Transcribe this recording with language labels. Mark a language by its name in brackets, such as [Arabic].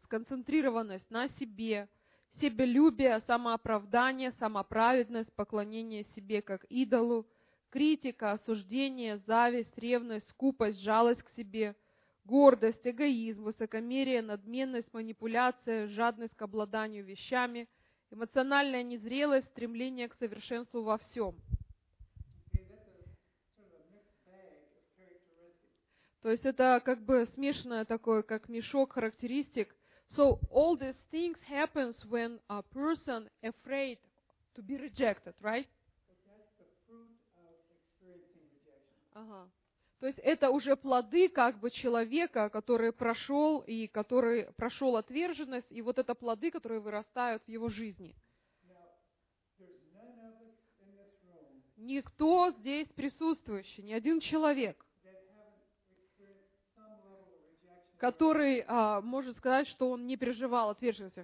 [Russian] Сконцентрированность на себе, себелюбие, самооправдание, самоправедность, поклонение себе как идолу, критика, осуждение, зависть, ревность, скупость, жалость к себе, гордость, эгоизм, высокомерие, надменность, манипуляция, жадность к обладанию вещами, эмоциональная незрелость, стремление к совершенству во всем. То есть это как бы смешанное такое, как мешок характеристик. [English] So all these things happens when a person afraid to be rejected, right? [Russian] Ага. То есть это уже плоды как бы человека, который прошел и который прошел отверженность, и вот это плоды, которые вырастают в его жизни. Никто здесь присутствующий, ни один человек, который может сказать, что он не переживал отверженность.